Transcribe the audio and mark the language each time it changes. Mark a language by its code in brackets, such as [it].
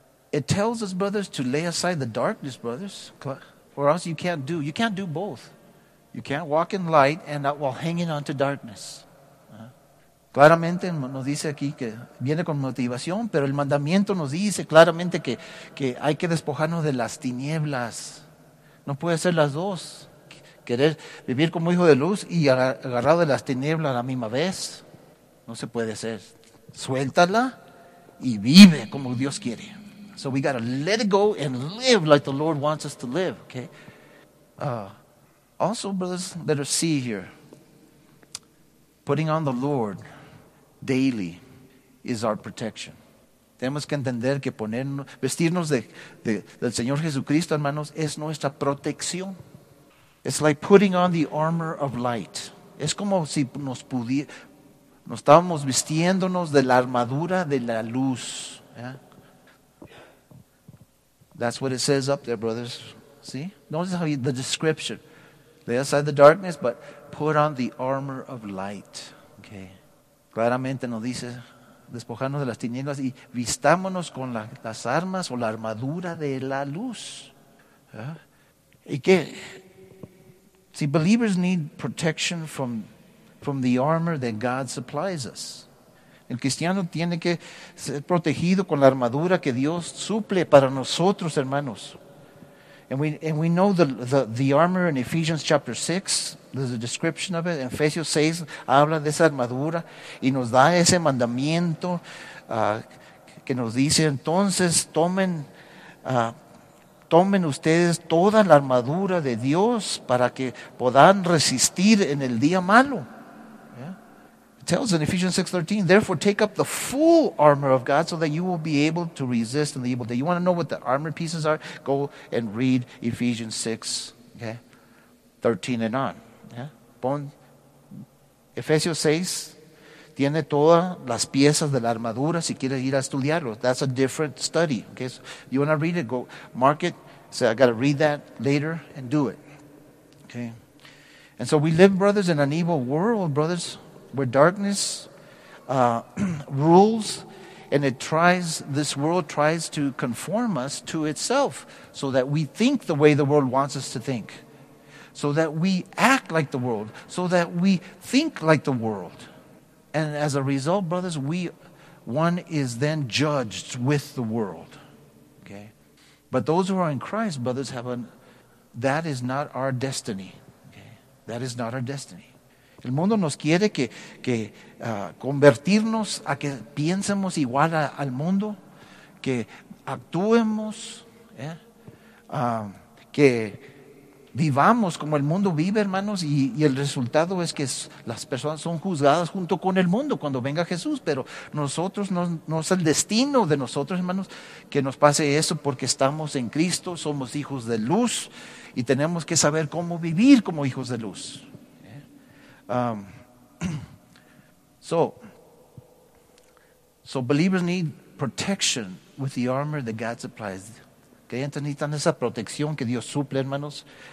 [en] It tells us, brothers, to lay aside the darkness, brothers, or else you can't do. You can't do both. You can't walk in light and not while hanging on to darkness. [es] Claramente nos dice aquí que viene con motivación, pero el mandamiento nos dice claramente que hay que despojarnos de las tinieblas. No puede ser las dos. Querer vivir como hijo de luz y agarrado de las tinieblas a la misma vez. No se puede hacer. Suéltala y vive como Dios quiere. [en] So we got to let it go and live like the Lord wants us to live. Okay. Also, brothers, let us see here, putting on the Lord daily is our protection. [es] Tenemos que entender que ponernos, vestirnos del Señor Jesucristo, hermanos, es nuestra protección. [en] It's like putting on the armor of light. [es] Es como si nos estábamos vistiéndonos de la armadura de la luz. [en] Yeah? That's what it says up there, brothers. See? Notice how the description. Lay aside the darkness, but put on the armor of light. Okay. [es] Claramente nos dice, despojarnos de las tinieblas y vistámonos con las armas o la armadura de la luz. [en] Yeah. [es] Y que, [en] see, believers need protection from the armor that God supplies us. [es] El cristiano tiene que ser protegido con la armadura que Dios suple para nosotros, hermanos. [en] And we know the armor in Ephesians chapter 6, there's a description of it. [es] Efesios 6 habla de esa armadura y nos da ese mandamiento que nos dice, entonces tomen ustedes toda la armadura de Dios para que puedan resistir en el día malo. [en] Yeah? It tells in Ephesians 6:13, therefore take up the full armor of God so that you will be able to resist in the evil day. You want to know what the armor pieces are? Go and read Ephesians 6, okay? 13 and on. [es] Pon Efesios 6 tiene todas las piezas de la armadura si quieres ir a estudiarlo. [en] That's a different study. Okay, so you want to read it, go mark it, say I got to read that later and do it. Okay. And so we live, brothers, in an evil world, brothers, where darkness rules, and this world tries to conform us to itself so that we think the way the world wants us to think. So that we act like the world. So that we think like the world. And as a result, brothers, one is then judged with the world. Okay? But those who are in Christ, brothers, that is not our destiny. Okay? That is not our destiny. [es] El mundo nos quiere que convertirnos a que piensemos igual al mundo. Que actuemos. Yeah? Que vivamos como el mundo vive, hermanos, y el resultado es que las personas son juzgadas junto con el mundo cuando venga Jesús, pero nosotros no es el destino de nosotros, hermanos, que nos pase eso porque estamos en Cristo, somos hijos de luz y tenemos que saber cómo vivir como hijos de luz. [en] So believers need protection with the armor that God supplies. [es] Creyentes necesitan esa protección que Dios suple, hermanos.